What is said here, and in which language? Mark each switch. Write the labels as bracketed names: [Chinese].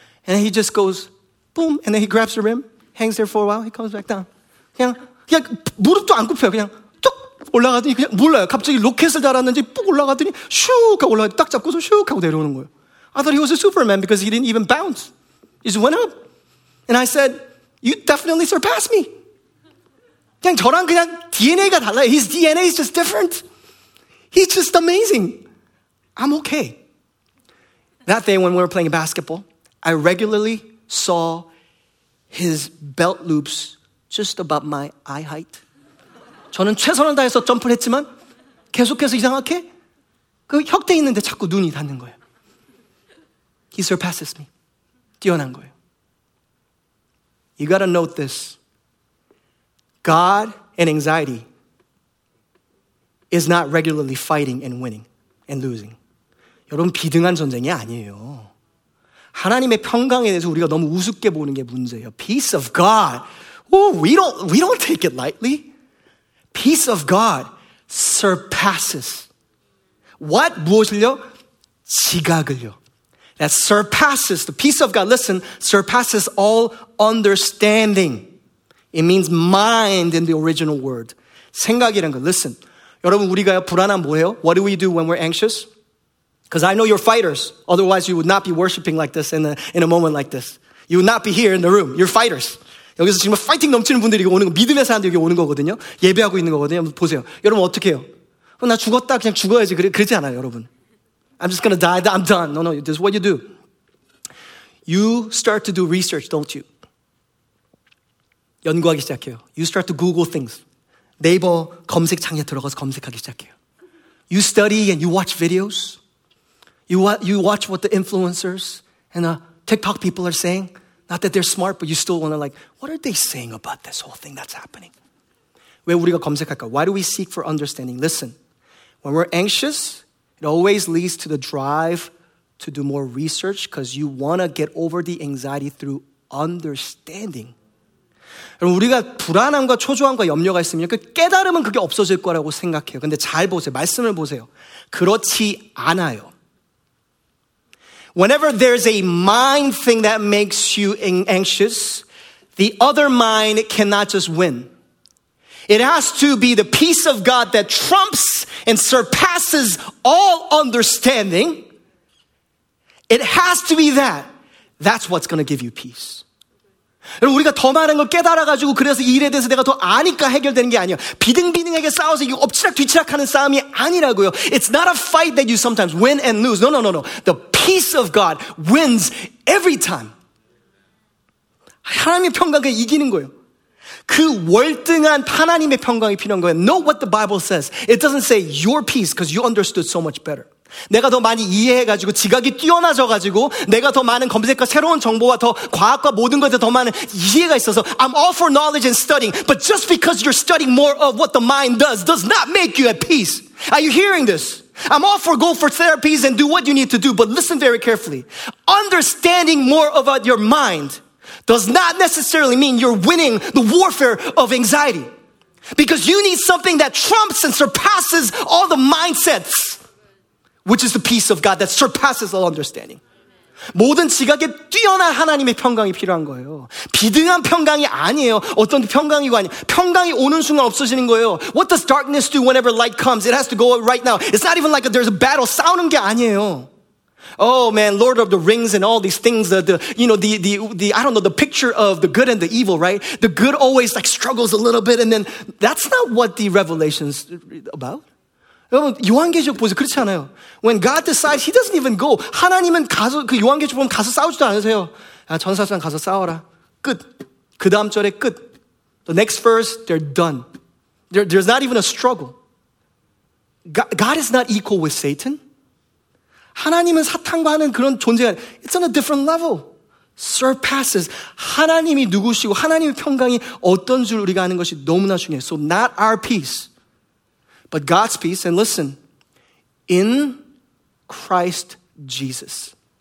[English] And he just goes, boom, and then he grabs the rim, hangs there for a while, he comes back down. [Korean] 그냥 무릎도 안 굽혀요. 그냥 툭 올라가더니 그냥 몰라요. 갑자기 로켓을 달았는지 뿍 올라가더니 슉 하고 올라가더니 딱 잡고서 슉 하고 내려오는 거예요. [English] I thought he was a superman because he didn't even bounce. He just went up. And I said, you definitely surpassed me. [Korean] 그냥 저랑 그냥 DNA가 달라요. [English] His DNA is just different. He's just amazing. I'm okay. That day when we were playing basketball, I regularly saw his belt loops just about my eye height. [Korean] 저는 최선을 다해서 점프를 했지만 계속해서 이상하게 그 혁대 있는데 자꾸 눈이 닿는 거예요. [English] He surpasses me. [Korean] 뛰어난 거예요. [English] You gotta note this. God and anxiety is not regularly fighting and winning and losing. [Korean] 여러분, 비등한 전쟁이 아니에요. 하나님의 평강에 대해서 우리가 너무 우습게 보는 게 문제예요. [English] Peace of God. Ooh, we don't take it lightly. Peace of God surpasses. What? [Korean] 무엇을요? 지각을요. [English] That surpasses, the peace of God, listen, surpasses all understanding. It means mind in the original word. 생각이란 거, listen. [Korean] 여러분, 우리가 불안한 뭐예요? [English] What do we do when we're anxious? Because I know you're fighters. Otherwise, you would not be worshiping like this in a moment like this. You would not be here in the room. You're fighters. [Korean] 여기서 지금 파이팅 넘치는 분들이 오는 거, 믿음의 사람들이 여기 오는 거거든요. 예배하고 있는 거거든요. 보세요. 여러분, 어떻게 해요? 나 죽었다, 그냥 죽어야지. 그러지 않아요, 여러분. [English] I'm just going to die. I'm done. No, this is what you do. You start to do research, don't you? [Korean] 연구하기 시작해요. [English] You start to Google things. [Korean] 네이버 검색창에 들어가서 검색하기 시작해요. [English] You study and you watch videos. You watch what the influencers and TikTok people are saying. Not that they're smart, but you still want to like, what are they saying about this whole thing that's happening? [Korean] 왜 우리가 검색할까? [English] Why do we seek for understanding? Listen, when we're anxious, it always leads to the drive to do more research because you want to get over the anxiety through understanding. [Korean] 여러분, 우리가 불안함과 초조함과 염려가 있으면 그 깨달음은 그게 없어질 거라고 생각해요. 근데 잘 보세요. 말씀을 보세요. 그렇지 않아요. [English] Whenever there's a mind thing that makes you anxious, the other mind cannot just win. It has to be the peace of God that trumps and surpasses all understanding. It has to be that. That's what's going to give you peace. [Korean] 여러분, 우리가 더 많은 걸 깨달아가지고 그래서 일에 대해서 내가 더 아니까 해결되는 게 아니에요. 비등비등하게 싸워서 이게 엎치락 뒤치락하는 싸움이 아니라고요. [English] It's not a fight that you sometimes win and lose. No. The peace of God wins every time. [Korean] 하나님의 평강이 이기는 거예요. 그 월등한 하나님의 평강이 필요한 거예요. [English] Know what the Bible says. It doesn't say your peace because you understood so much better. [Korean] 내가 더 많이 이해해가지고 지각이 뛰어나져가지고 내가 더 많은 검색과 새로운 정보와 더 과학과 모든 것에 더 많은 이해가 있어서 [English] I'm all for knowledge and studying. But just because you're studying more of what the mind does not make you at peace. Are you hearing this? I'm all for go for therapies and do what you need to do. But listen very carefully. Understanding more about your mind does not necessarily mean you're winning the warfare of anxiety. Because you need something that trumps and surpasses all the mindsets. Which is the peace of God that surpasses all understanding. [Korean] 모든 지각에 뛰어난 하나님의 평강이 필요한 거예요. 비등한 평강이 아니에요. 어떤 평강이고 아니에요. 평강이 오는 순간 없어지는 거예요. [English] What does darkness do whenever light comes? It has to go right now. It's not even like there's a battle. [Korean] 싸우는 게 아니에요. [English] Oh man, Lord of the Rings and all these things, the picture of the good and the evil, right? The good always like struggles a little bit and then that's not what the revelations about. [Korean] 여러분, 요한계시록 보세요. 그렇지 않아요. [English] When God decides, He doesn't even go. [Korean] 하나님은 가서, 그 요한계시록 보면 가서 싸우지도 않으세요. 야, 전사장 가서 싸워라. 끝. 그 다음 절에 끝. [English] The next verse, they're done. There's not even a struggle. God is not equal with Satan. [Korean] 하나님은 사탄과는 그런 존재가 아니에요. [English] It's on a different level. Surpasses. [Korean] 하나님이 누구시고 하나님의 평강이 어떤 줄 우리가 아는 것이 너무나 중요해요. [English] So not our peace, but God's peace. And listen, in Christ Jesus.